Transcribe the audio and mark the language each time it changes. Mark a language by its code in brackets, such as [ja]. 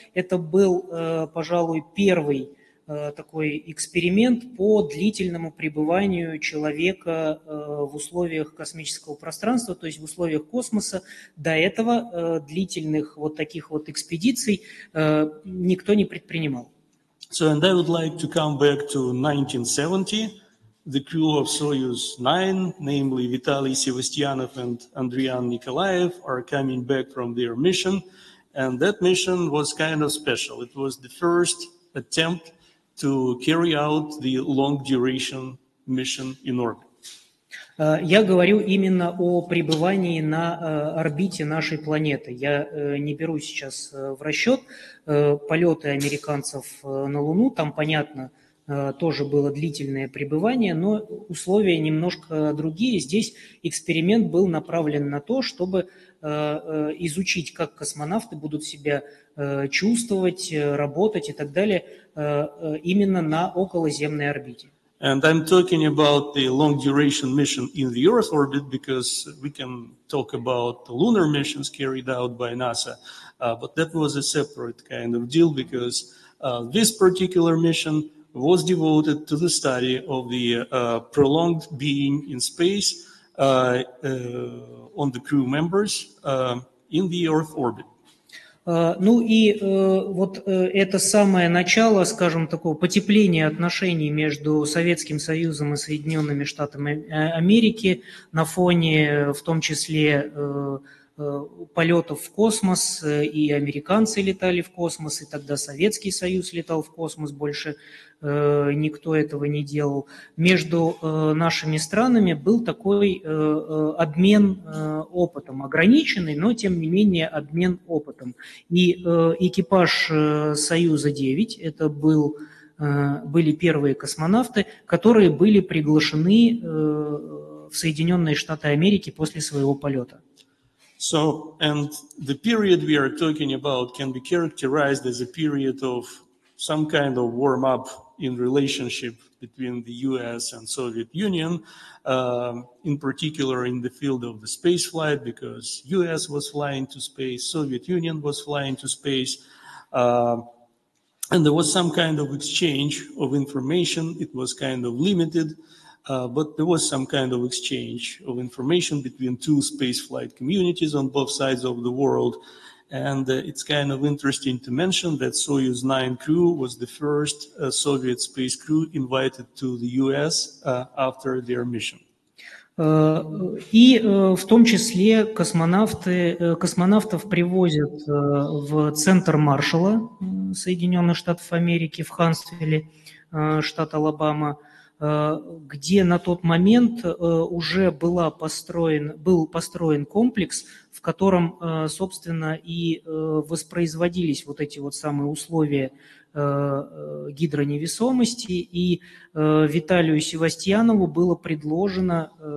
[ru] Это был, пожалуй, первый такой эксперимент по длительному пребыванию человека в условиях космического пространства, то есть в условиях космоса. До этого длительных вот таких вот экспедиций никто не предпринимал. [en] So, and I would like to come back to 1970, the crew of Soyuz 9, namely Vitaly Sevastyanov and Andriyan Nikolaev, are coming back from their mission, and that mission was kind of special. It was the first attempt to carry out the long-duration mission in orbit. [ru] Я говорю именно о пребывании на орбите нашей планеты. Я не беру сейчас в расчет полеты американцев на Луну. Там, понятно, тоже было длительное пребывание, но условия немножко другие. Здесь эксперимент был направлен на то, чтобы изучить, как космонавты будут себя чувствовать, работать и так далее именно на околоземной орбите. [en] And I'm talking about the long duration mission in the Earth orbit, because we can talk about the lunar missions carried out by NASA, but that was a separate kind of deal, because this particular mission was devoted to the study of the prolonged being in space on the crew members in the Earth orbit. [ru] Ну и вот это самое начало, скажем, такого потепления отношений между Советским Союзом и Соединенными Штатами Америки на фоне, в том числе, полетов в космос, и американцы летали в космос, и тогда Советский Союз летал в космос, больше никто этого не делал. Между нашими странами был такой обмен опытом, ограниченный, но тем не менее обмен опытом. И экипаж Союза-9, это были первые космонавты, которые были приглашены в Соединенные Штаты Америки после своего полета. [en] So, and the period we are talking about can be characterized as a period of some kind of warm-up in relationship between the U.S. and Soviet Union, in particular in the field of the space flight, because U.S. was flying to space, Soviet Union was flying to space, and there was some kind of exchange of information. It was kind of limited. But there was some kind of exchange of information between two spaceflight communities on both sides of the world. And it's kind of interesting to mention that Soyuz 9 crew was the first Soviet space crew invited to the U.S. After their mission. [ru] И в том числе космонавтов привозят в центр Маршалла Соединенных Штатов Америки в Хантсвилле, штат Алабама, где на тот момент уже был построен комплекс, в котором, собственно, и воспроизводились вот эти вот самые условия гидроневесомости, и Виталию Севастьянову было предложено